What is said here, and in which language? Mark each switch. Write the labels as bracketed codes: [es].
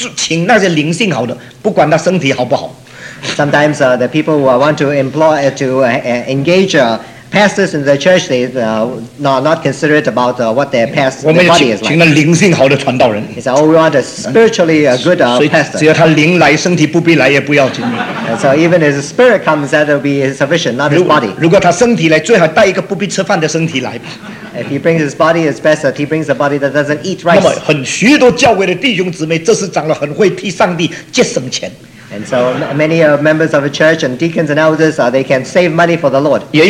[zh] 有一些教会呢,他们请传道人的时候,就只请那些灵性好的,不管他身体好不好。 [en] Sometimes the people who want to employ to engage pastors in the church, they are not considerate about what their past body is like. He said, oh, we want a spiritually good pastor. [zh] 只要他灵来,身体不必来也不要紧。 [en] So even if the spirit comes, that will be sufficient, not his body. [zh] 如果他身体来,最好带一个不必吃饭的身体来。 [en] If he brings his body, it's best that he brings a body that doesn't eat rice. [zh] 那么很许多教会的弟兄姊妹,这是长得很会替上帝节省钱。 [en] And so many members of the church and deacons and elders, they can save money for the Lord.